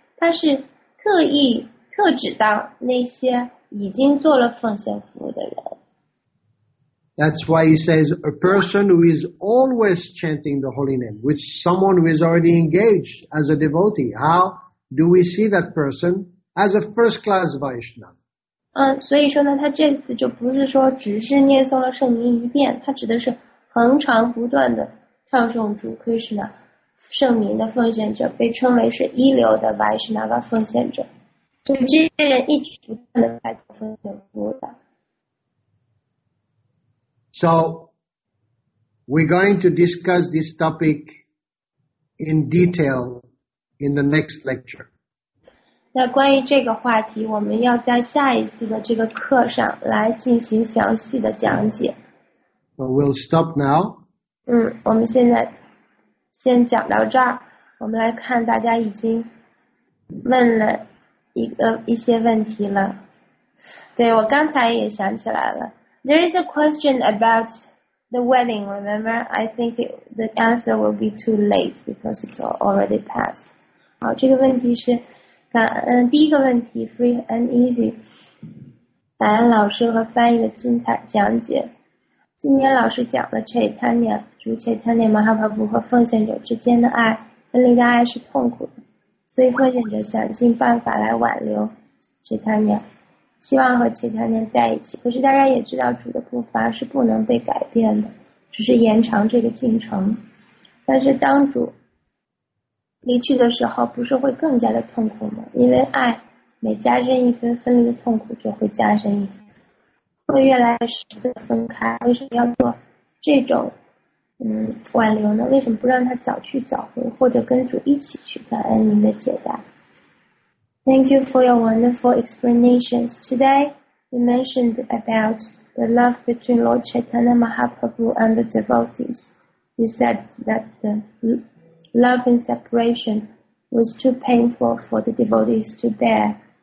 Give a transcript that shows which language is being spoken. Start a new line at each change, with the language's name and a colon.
Chinese: 他是特意特指到那些已经做了奉献服务的人。
English: That's why he says a person who is always chanting the holy name, which someone who is already engaged as a devotee. How do we see that person as a first-class Vaishnava?
Chinese: 所以说呢，他这次就不是说只是念诵了圣名一遍，他指的是恒常不断的唱诵主 Krishna。圣名的奉献者被称为是一流的 Vaishnava 奉献者，就这些人一直不断的在做奉献服务的。
English: So, we're going to discuss this topic in detail in the next lecture.
Chinese: 那关于这个话题，我们要在下一次的这个课上来进行详细的讲解。
English: So we'll stop now.
Chinese: 我们现在。先讲到这儿，我们来看大家已经问了一些问题了。对，我刚才也想起来了。
English: There is a question about the wedding, remember? I think the answer will be too late because it's already passed.
Chinese: 好，这个问题是，第一个问题 ,
English: free and easy.
Chinese: 白安老师和翻译的精彩讲解。今天老师讲了 Chaitanya 主 Chaitanya Mahaprabhu 和奉献者之间的爱，分离的爱是痛苦的，所以奉献者想尽办法来挽留 Chaitanya，希望和其他人在一起。可是大家也知道主的步伐是不能被改变的，只是延长这个进程。但是当主离去的时候，不是会更加的痛苦吗？因为爱每加深一分，分离的痛苦就会加深一分，会越来越舍不得分开。为什么要做这种挽留呢？为什么不让他早去早回，或者跟主一起去感恩您的解答？
English: Thank you for your wonderful explanations. Today, you mentioned about the love between Lord Chaitanya Mahaprabhu and the devotees. You said that the love and separation was too painful for the devotees to bear.